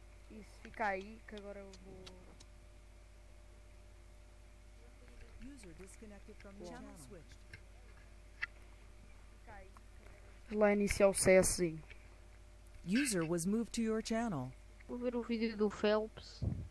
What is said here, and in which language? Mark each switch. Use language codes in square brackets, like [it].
[pt] Isso, fica aí que agora eu vou. [en] User disconnected from channel switched. [pt] Lá iniciar o CS. [en] User was moved to your channel. [pt] Vou ver o vídeo do Phelps.